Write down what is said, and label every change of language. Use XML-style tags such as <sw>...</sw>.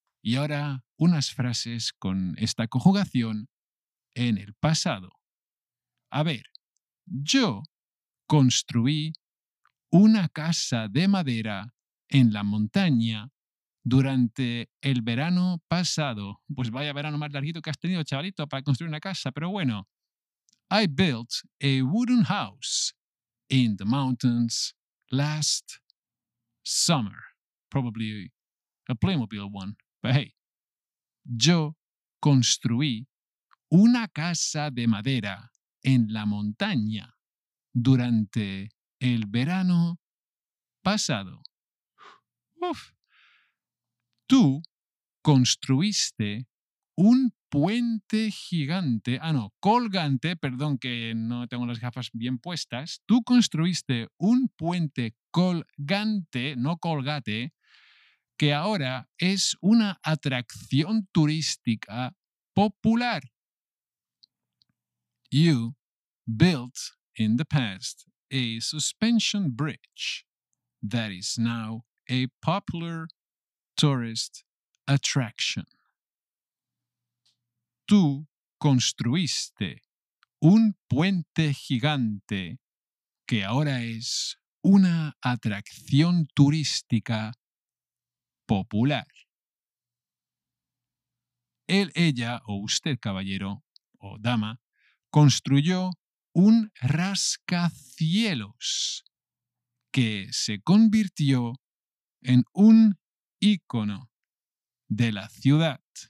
<es>Y ahora unas frases con esta conjugación en el pasado. A ver, yo construí una casa de madera en la montaña durante el verano pasado. Pues vaya verano más larguito que has tenido, chavalito, para construir una casa, pero bueno.</es> <en>I built a wooden house in the mountains last summer. Probably a Playmobil one, but hey.</en> <es>Yo construí una casa de madera en la montaña durante el verano pasado. Uf. Tú construiste un puente gigante, colgante, perdón que no tengo las gafas bien puestas. Tú construiste un puente colgante, no colgate, que ahora es una atracción turística popular.</es> <en>You built in the past a suspension bridge that is now a popular tourist attraction.</en> <es>Tú construiste un puente gigante que ahora es una atracción turística popular. Él, ella o usted, caballero o dama, construyó un rascacielos que se convirtió en un ícono de la ciudad.</es>